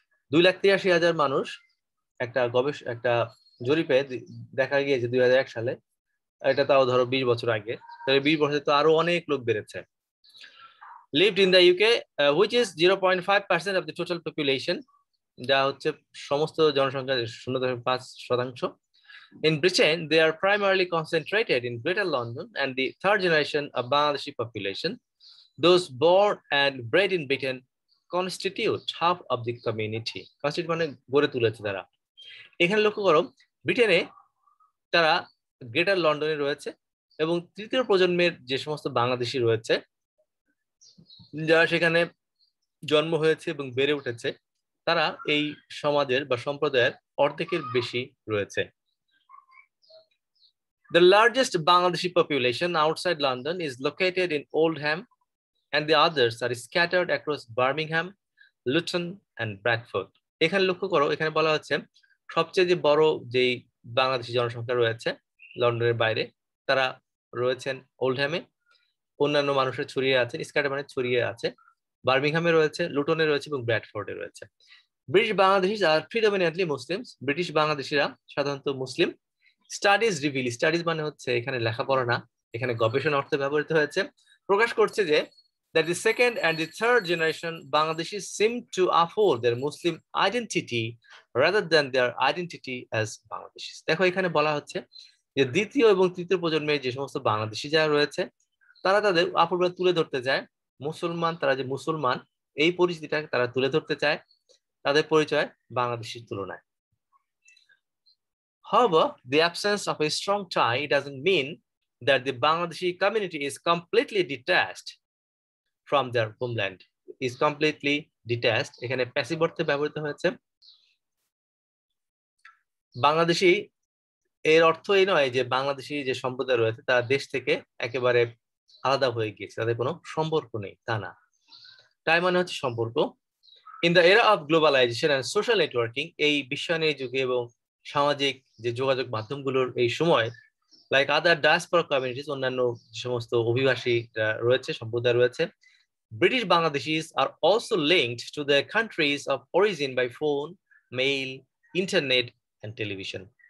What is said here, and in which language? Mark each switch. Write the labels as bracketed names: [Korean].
[Bangla] 283,000 মানুষ একটা গবেষণা একটা জরিপে দেখা গিয়েছে 2001 সালে, এটা তাও ধরো 20 বছর আগে, তাহলে 20 বছরে তো আরো অনেক লোক বেড়েছে। [English] lived in the UK which is 0.5% of the total population, [Bangla] যা হচ্ছে সমস্ত জনসংখ্যার 0.5%। [English] In Britain, they are primarily concentrated in Greater London and the third generation of Bangladeshi population. Those born and bred in Britain constitute half of the community. [Bangla] Constitute মানে গড়ে তুলেছে তারা। এখানে লক্ষ্য করো ব্রিটেনে তারা গ্রেটার লন্ডনে রয়েছে, এবং তৃতীয় প্রজন্মের যে সমস্ত বাংলাদেশি রয়েছে যারা সেখানে জন্ম হয়েছে এবং বেড়ে উঠেছে, তারা এই সমাজের বা সম্প্রদায়ের অর্ধেকের বেশি রয়েছে। [English] The largest Bangladeshi population outside London is located in Oldham, and the others are scattered across Birmingham, Luton, and Bradford. [Bangla] এখানে লক্ষ্য করো এখানে বলা হচ্ছে সবচেয়ে যে বড় যে বাংলাদেশি জনসংখ্যা রয়েছে লন্ডনের বাইরে, তারা রয়েছেন ওল্ডহ্যামে, অন্যান্য মানুষের ছড়িয়ে আছে, স্ক্যাটার মানে ছড়িয়ে আছে, বার্মিংহামে রয়েছে, লুটনে রয়েছে এবং ব্র্যাডফোর্ডে রয়েছে। [English] British Bangladeshi are predominantly Muslims, [Bangla] ব্রিটিশ বাংলাদেশিরা সাধারণত মুসলিম। [English] studies reveal, studies [Bangla] মানে হচ্ছে এখানে লেখাপড়া না, এখানে গবেষণা অর্থে ব্যবহৃত হয়েছে, প্রকাশ করছে যে [English] That the second and the third generation Bangladeshi seem to afford their Muslim identity rather than their identity as Bangladeshi. [Bangla] দেখো এখানে বলা হচ্ছে যে দ্বিতীয় এবং তৃতীয় প্রজন্মের যে সমস্ত বাংলাদেশি যারা রয়েছে তারা তাদের আপনার তুলে ধরতে চায় মুসলমান, তারা যে মুসলমান এই পরিচিতিটাকে তারা তুলে ধরতে চায় তাদের পরিচয় বাংলাদেশির তুলনায়। [English] However, the absence of a strong tie doesn't mean that the Bangladeshi community is completely detached from their homeland. Is completely detached. [Bangla] এখানে passive অর্থে ব্যবহৃত হয়েছে। বাংলাদেশি এর অর্থ এই নয় যে বাংলাদেশি যে সম্প্রদায় রয়েছে তারা দেশ থেকে একেবারে আলাদা হয়ে গিয়েছে, তাদের কোনো সম্পর্ক নেই, তা না। টাই মানে হচ্ছে সম্পর্ক। [English] in the era of globalization and social networking, [Bangla] এই বিশ্বায়নের যুগে এবং সামাজিক যে যোগাযোগ মাধ্যমগুলোর এই সময়, [English] like other diaspora communities, [Bangla] অন্যান্য সমস্ত অভিবাসী রয়েছে, সম্প্রদায় রয়েছে, [English] British Bangladeshis are also linked to the countries of origin by phone, mail, internet and television.